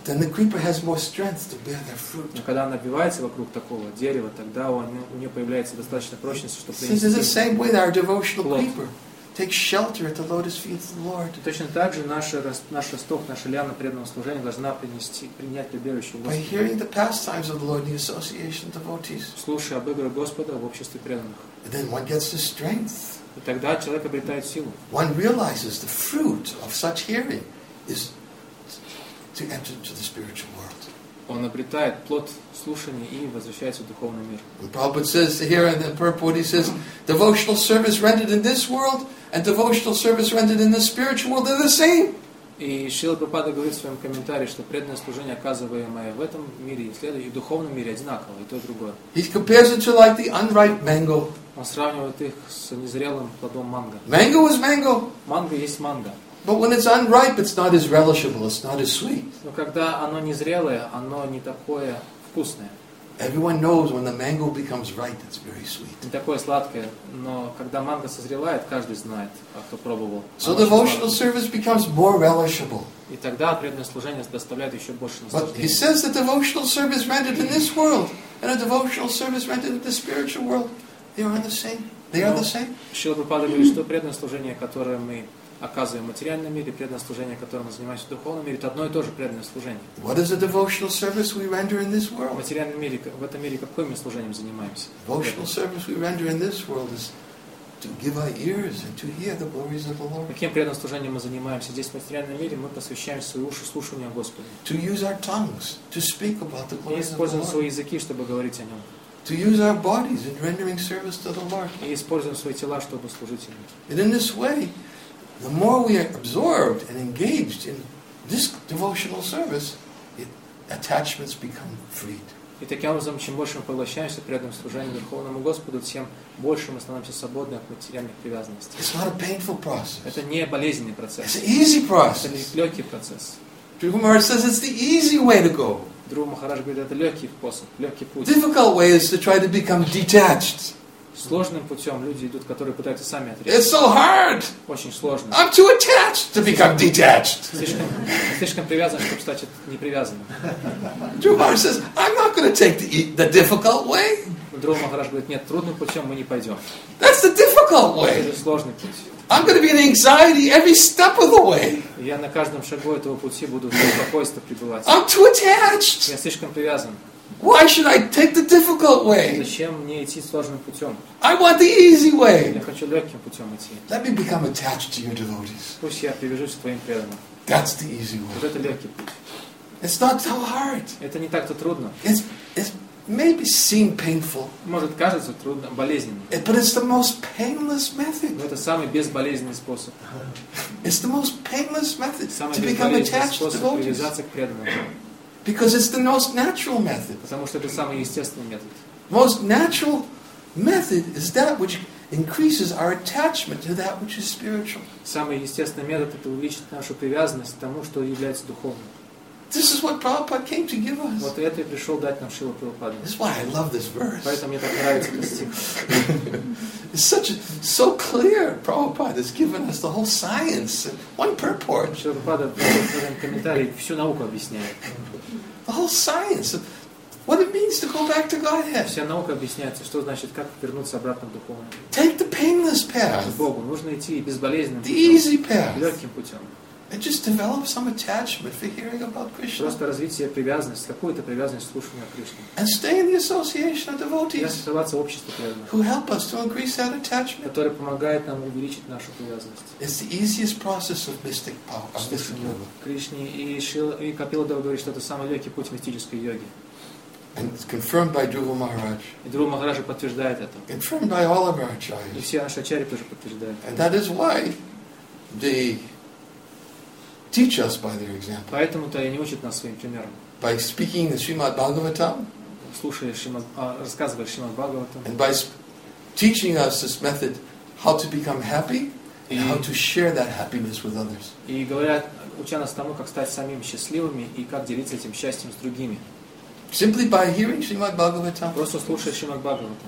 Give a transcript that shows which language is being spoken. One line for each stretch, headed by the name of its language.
English: Then the creeper has more strength to bear their fruit.
Russian: Но когда она обвивается вокруг такого дерева, тогда у нее появляется достаточно прочности, чтобы принести плод.
English: This is the same way our devotional creeper takes shelter at the lotus feet of the Lord.
Russian: Точно так же наш росток, наша лиана преданного служения должна принять прибежище у Господа.
English: By hearing the pastimes of the Lord in the association of devotees.
Russian: Слушая об играх Господа в обществе преданных.
English: And then one gets the strength.
Russian: И тогда человек обретает силу.
English: One realizes the fruit of such hearing is to enter into the spiritual world.
Russian: Он обретает плод слушания и возвращается в духовный мир.
English: And Prabhupada says here in the purport, he says, devotional service rendered in this world and devotional service rendered in the spiritual world, they're the same.
Russian: И Шрила Прабхупада говорит в своем комментарии, что преданное служение, оказываемое в этом мире и в духовном мире, одинаково, и то, и другое.
English: He compares it to like the unripe mango.
Russian: Он сравнивает их с незрелым плодом манго.
English: Mango is mango.
Russian: Манго есть манго.
English: But when it's unripe, it's not as relishable, it's not as sweet.
Russian: Но когда оно незрелое, оно не такое вкусное.
English: Everyone knows when the mango becomes ripe, it's very sweet.
Russian: Не такое сладкое, но когда манго созревает, каждый знает, кто пробовал.
English: So devotional service becomes more relishable.
Russian: И тогда преданное служение доставляет еще больше наслаждения.
English: But he says that devotional service rendered in this world and a devotional service rendered in the spiritual world. They are the same. They are the same.
Russian: Шрила Прабхупада говорит, что преданное служение, которое мы оказываем в материальном мире, преданное служение, которым мы занимаемся в духовном мире, это одно и то же преданное служение.
English: What is the devotional service we render in this world?
Russian: В материальном мире, в этом мире, каким мы служением занимаемся?
English: Devotional service we render in this world is to give our ears and to hear the glories of the Lord.
Russian: Каким преданным служением мы занимаемся здесь в материальном мире? Мы посвящаем свои уши слушанию Господа.
English: To use our tongues to speak about the glories of the Lord.
Russian: И используем свои языки, чтобы говорить о Нем.
English: To use our bodies in rendering service to the Lord.
Russian: И используем свои тела, чтобы служить Ему.
English: And in this way, the more we are absorbed and engaged in this devotional service, attachments become freed.
Russian: И таким образом, чем больше мы поглощаемся преданным служением Верховному Господу, тем больше мы становимся свободны от материальных привязанностей.
English: It's not a painful process.
Russian: Это не болезненный процесс.
English: It's an easy process.
Russian: Это легкий процесс.
English: Guru Maharaj says it's the easy way to go.
Russian: Другу Махараджу говорит, это легкий способ, легкий путь.
English: Difficult way is to try to become detached.
Russian: Сложным путем люди идут, которые пытаются сами отречься.
English: It's so hard.
Russian: Очень сложно.
English: I'm too attached to become detached.
Russian: Слишком привязан, чтобы стать непривязанным.
English: Drew Mar says, I'm not going to take the difficult way.
Russian: Друг Махарадж говорит, нет, трудным путем мы не пойдем.
English: That's the difficult way.
Russian: Это сложный путь.
English: I'm going to be in anxiety every step of the way.
Russian: Я на каждом шагу этого пути буду в беспокойство пребывать.
English: I'm too attached.
Russian: Я слишком привязан.
English: Why should I take the difficult way?
Russian: Зачем мне идти сложным путем?
English: I want the easy way.
Russian: Я хочу легким путем идти.
English: Let me become attached to your devotees.
Russian: Пусть я привяжусь к твоим преданным.
English: That's the easy way.
Russian: Вот это легкий путь.
English: It's not so hard.
Russian: Это не так-то трудно.
English: It's maybe seem painful.
Russian: Может кажется трудным, болезненным.
English: But it's the most painless method.
Russian: Но это самый безболезненный способ.
English: It's the most painless method to become attached to devotees. Because it's the most natural method.
Russian: Потому что это самый естественный метод.
English: Most natural method is that which increases our attachment to that which is spiritual.
Russian: Самый естественный метод это увеличит нашу привязанность к тому, что является духовным.
English: This is what Prabhupada came to give us.
Russian: Вот это и пришел дать нам Шрила Прабхупада.
English: That's why I love this verse.
Russian: Поэтому мне так нравится этот стих.
English: It's such a, so clear. Prabhupada has given us the whole science, one purport.
Russian: Шрила Прабхупада в своем комментарии всю науку объясняет.
English: The whole science of what it means to go back to Godhead.
Russian: Вся наука объясняет, что значит, как вернуться обратно в духовное.
English: Take the painless path.
Russian: К Богу нужно идти безболезненным.
English: The easy path.
Russian: Легким путем.
English: And just develop some attachment for hearing about Krishna.
Russian: Просто развитие привязанности, какую-то привязанность слушания Кришны.
English: And stay in the association of devotees.
Russian: И оставаться в обществе преданных.
English: Who help us to increase that attachment?
Russian: Которые помогают нам увеличить нашу привязанность.
English: It's the easiest process of mystic power.
Russian: Кришне и Капила Дева говорит, что это самый легкий путь мистической йоги.
English: And it's confirmed by Dhruva Maharaj.
Russian: И Друва Махарадж подтверждает это.
English: Confirmed by all of our acharyas.
Russian: И все наши ачарьи тоже подтверждают.
English: And that is why the teach us by their example.
Russian: Поэтому-то они учат нас своим примером.
English: By speaking the Srimad Bhagavatam.
Russian: Слушая Шримад, рассказывая Шримад Бхагаватам.
English: And by teaching us this method, how to become happy and how to share that happiness with others.
Russian: И говорят, уча нас тому, как стать самим счастливыми и как делиться этим счастьем с другими.
English: Simply by hearing Srimad Bhagavatam.
Russian: Просто слушая Шримад Бхагаватам.